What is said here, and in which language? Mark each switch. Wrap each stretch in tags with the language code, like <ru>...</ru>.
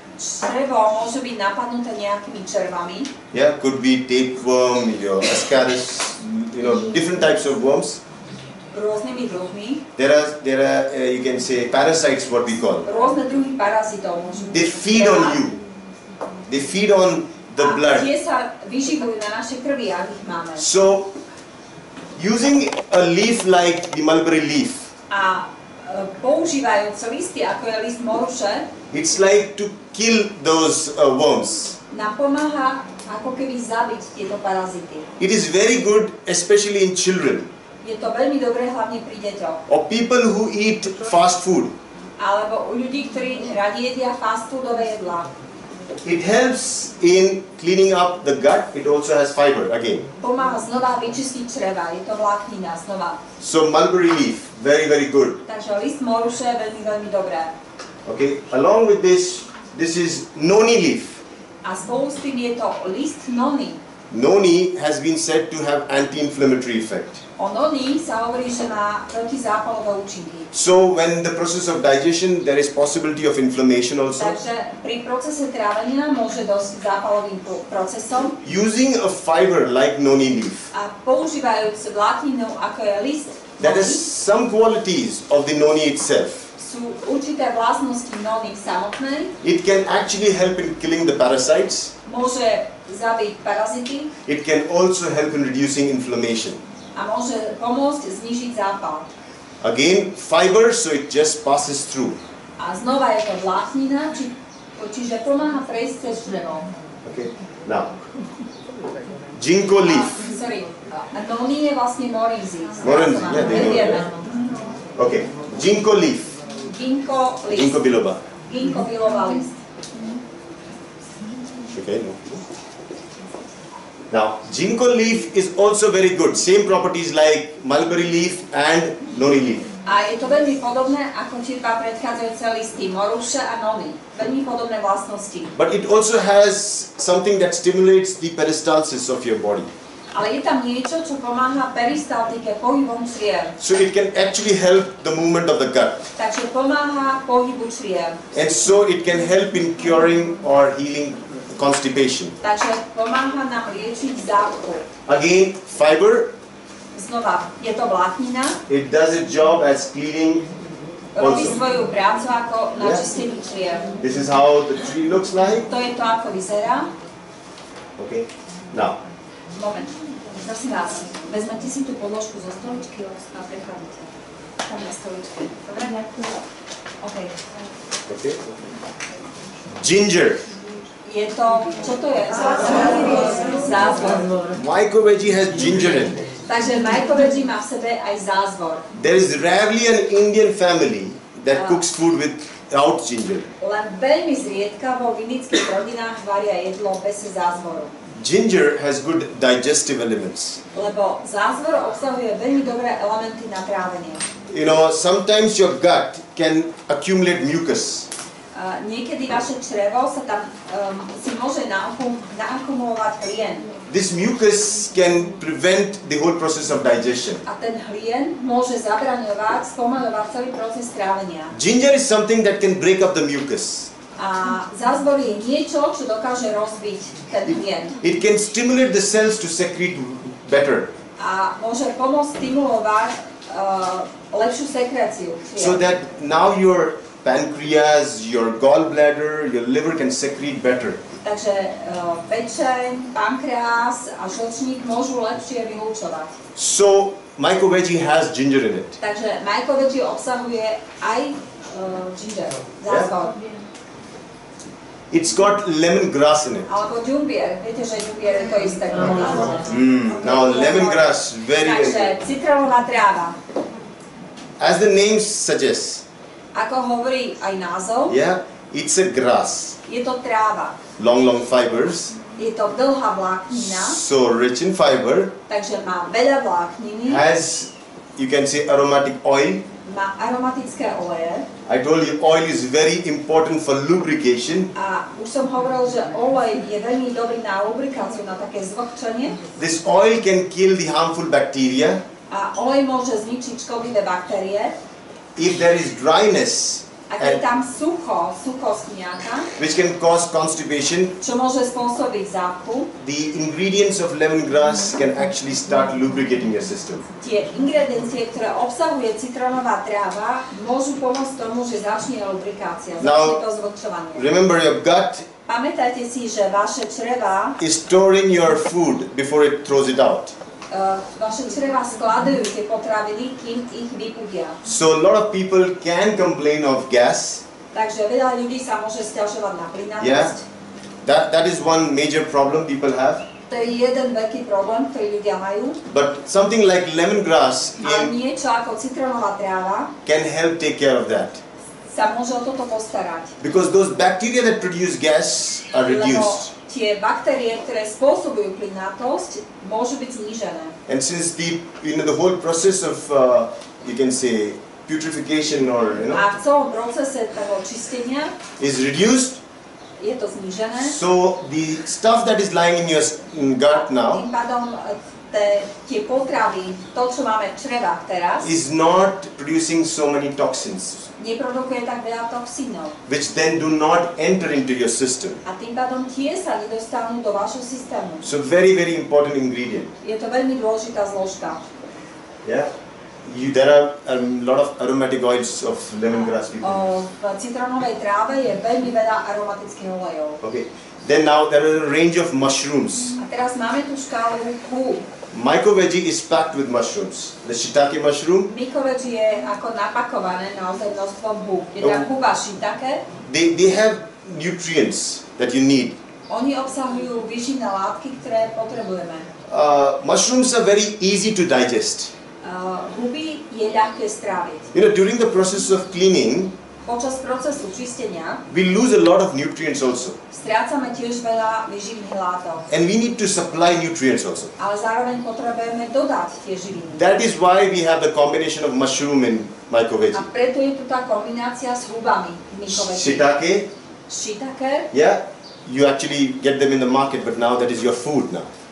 <sk>Črevo môže byť napadnuté nejakými červami.</sk> <en>Yeah, could be tapeworm, your ascaris, different types of worms.</en> <sk>Rôznymi druhmi.</sk> <en>There are, you can say, parasites, what we call.</en> <sk>Rôzne druhy parazitov môžu byť.</sk> <en>They feed on you. They feed on the blood.</en> <sk>A tie sa vyživujú na našej krvi, ak ich máme.</sk> <en>So, using a leaf like the mulberry leaf.</en> <sk>A používajúc listy, ako je list moruše.</sk> <en>It's like to kill those worms.</en> <sk>napomáha ako keby zabiť tieto parazity.</sk> <en>It is very good especially in children.</en> <sk>Je to veľmi dobré hlavne pri deťoch.</sk> <en>Or people who eat fast food.</en> <sk>Alebo u ľudí, ktorí radi jedia fast foodové jedlá.</sk> <en>It helps in cleaning up the gut. It also has fiber again.</en> <sk>Pomáha znova vyčistiť čreva. Je to vláknina znova.</sk> <en>So mulberry leaf, very very good.</en> <sk>Takže list moruše je veľmi veľmi dobré.</sk> <en>Okay, along with this is noni leaf.</en> <sk>A spolu s tým je to list noni.</sk> <en>Noni has been said to have anti-inflammatory effect.</en> <sk>O noni sa hovorí, že má protizápalové účinky.</sk> <en>So when the process of digestion, there is possibility of inflammation also.</en> <sk>Takže pri procese trávenia môže dosť zápalovým procesom.</sk> <en>Using a fiber like noni leaf.</en> <sk>A používajúc vlákninu, ako je list noni.</sk> <en>That has some qualities of the noni itself.</en> <sk>Sú určité vlastnosti noni samotnej.</sk> <en>It can actually help in killing the parasites.</en> <sk>Môže zabiť parazity.</sk> <en>It can also help in reducing inflammation.</en> <sk>A môže pomôcť znižiť zápal.</sk> <en>Again, fiber, so it just passes through.</en> <sk>A znova je to vláknina, čiže pomáha prejsť cez črevo.</sk> <en>Okay, now. Ginkgo leaf.</en> <sk>Noni je vlastne morinzi.</sk> <en>Morinzi, yeah, they know. Okay, ginkgo leaf. Ginkgo leaf. Ginkgo biloba.</en> <sk>Ginkgo biloba list.</sk> <en>Okay. Now, ginkgo leaf is also very good. Same properties like mulberry leaf and noni leaf.</en> <sk>A je to veľmi podobné ako tie dva predchádzajúce listy, moruše a noni. Veľmi podobné vlastnosti.</sk> <en>But it also has something that stimulates the peristalsis of your body.</en> <sk>Ale je tam niečo, čo pomáha peristaltike, pohybom čriev.</sk> <en>So it can actually help the movement of the gut.</en> <sk>Takže pomáha pohybu čriev.</sk> <en>And so it can help in curing or healing constipation.</en> <sk>Takže pomáha nám liečiť zápchu.</sk> <en>Again, fiber.</en> <sk>Znova, je to vláknina.</sk> <en>It does its job as cleaning also.</en> <sk>Robí svoju prácu ako načistenie čriev.</sk> <en>This is how the tree looks like.</en> <sk>To je to, ako vyzerá.</sk> <en>Okay, now.</en> <sk>Moment, prosím vás, vezmete si tú podložku zo stoličky a prechádzate. Tam na stoličke. Dobre, ďakujem. Okay.</sk> <en>Okay. Ginger.</en> <sk>Je to, čo to je? Zázvor.</sk> <en>MycoVeggie has ginger in it.</en> <sk>Takže MycoVeggie má v sebe aj zázvor.</sk> <en>There is rarely an Indian family that cooks food without ginger.</en> <sk>Len veľmi zriedka vo indických rodinách varia jedlo bez zázvoru.</sk> <en>Ginger has good digestive elements.</en> <sk>Lebo zázvor obsahuje veľmi dobré elementy na trávenie.</sk> <en>You know, sometimes your gut can accumulate mucus.</en> <sk>Niekedy vaše črevo sa tam si môže naakumulovať hlien.</sk> <en>This mucus can prevent the whole process of digestion.</en> <sk>A ten hlien môže zabraňovať, spomaľovať celý proces trávenia.</sk> <en>Ginger is something that can break up the mucus.</en> <sk>A zázvor je niečo, čo dokáže rozbiť ten hlien.</sk> <en>It can stimulate the cells to secrete better.</en> <sk>A môže pomôcť stimulovať lepšiu sekreciu.</sk> <en>So that now your pancreas, your gallbladder, your liver can secrete better.</en> <sk>Takže pečeň, pankreas a žlčník môžu lepšie vylúčovať.</sk> <en>So MycoVeggie has ginger in it.</en> <sk>Takže MycoVeggie obsahuje aj ginger.</sk> <en>Yeah. It's got lemongrass in it.</en> <sk>Alebo ďumbier. Viete, že ďumbier je to isté.</sk> <en>Now lemongrass, very good.</en> <sk>Takže citrónová tráva.</sk> <en>As the name suggests.</en> <sk>Ako hovorí aj názov.</sk> <en>Yeah, it's a grass.</en> <sk>Je to tráva.</sk> <en>Long, long fibers.</en> <sk>Je to dlhá vláknina.</sk> <en>So rich in fiber.</en> <sk>Takže má veľa vlákniny.</sk> <en>Has, you can say, aromatic oil.</en> <sk>Má aromatické oleje.</sk> <en>I told you, oil is very important for lubrication.</en> <sk>A už som hovoril, že olej je veľmi dobrý na lubrikáciu, na také zvlhčenie.</sk> <en>This oil can kill the harmful bacteria.</en> <sk>A olej môže zničiť škodlivé baktérie.</sk> <en>If there is dryness,</en> <sk>ak je tam sucho, suchosť nejaká,</sk> <en>which can cause constipation,</en> <sk>čo môže spôsobiť zápchu,</sk> <en>the ingredients of lemongrass can actually start lubricating your system.</en> <sk>Tie ingrediencie, ktoré obsahuje citrónová tráva, môžu pomôcť tomu, že začne lubrikácia, začne</sk> <en>now,</en> <sk>to zvlhčovanie.</sk> <en>Remember your gut.</en> <sk>Pamätajte si, že vaše čreva</sk> <en>is storing your food before it throws it out.</en> <sk>Vaše čreva skladujú tie potraviny, kým ich vypudia.</sk> <en>So a lot of people can complain of gas.</en> <sk>Takže veľa ľudí sa môže sťažovať na plynatosť.</sk> <en>Yeah. That is one major problem people have.</en> <sk>To je jeden veľký problém, ktorý ľudia majú.</sk> <en>But something like lemongrass</en> <sk>niečo ako citronová tráva</sk> <en>can help take care of that.</en> <sk>Sa môže o toto postarať.</sk> <en>Because those bacteria that produce gas are reduced.</en> <sk>Tie baktérie, ktoré spôsobujú plynatosť, môžu byť znížené.</sk> <en>And since the, you know, the whole process of, you can say, putrefaction or, you know,</en> <sk>a v celom procese toho čistenia</sk> <en>is reduced,</en> <sk>je to znížené.</sk> <en>So the stuff that is lying in your gut now,</en> <sk>tým pádom tie potravy, to čo máme v črevách teraz,</sk> <en>is not producing so many toxins.</en> <sk>Neprodukuje tak veľa toxínov.</sk> <en>Which then do not enter into your system.</en> <sk>A tým pádom tie sa nedostanú do vášho systému.</sk> <en>So very, very important ingredient.</en> <sk>Je to veľmi dôležitá zložka.</sk> <en>Yeah. There are a lot of aromatic oils of lemongrass.</en> <sk>V citronovej tráve je veľmi veľa aromatických olejov.</sk> <en>Okay. Then now there are a range of mushrooms.</en> <sk>A teraz máme tú škálu ku.</sk> <en>MycoVeggie is packed with mushrooms. The shiitake mushroom.</en> <sk>MycoVeggie je ako napakované na množstvo húb. Je tam húba shiitake.</sk> <en>They have nutrients that you need.</en> <sk>Oni obsahujú výživné látky, ktoré potrebujeme.</sk> <en>Mushrooms are very easy to digest.</en> <sk>Húby je ľahké stráviť.</sk> <en>You know, during the process of cleaning,</en> <sk>počas procesu čistenia,</sk> <en>we lose a lot of nutrients also.</en> <sk>Strácame tiež veľa výživných látok.</sk> <en>And we need to supply nutrients also.</en> <sk>Ale zároveň potrebujeme dodať tie živiny.</sk> <en>That is why we have the combination of mushroom in MycoVeggie.</en> <sk>A preto je tu tá kombinácia s húbami v MycoVeggie. Shiitake? Shiitake?</sk> <en>Yeah. You actually get them in the market, but now that is your food now.</en>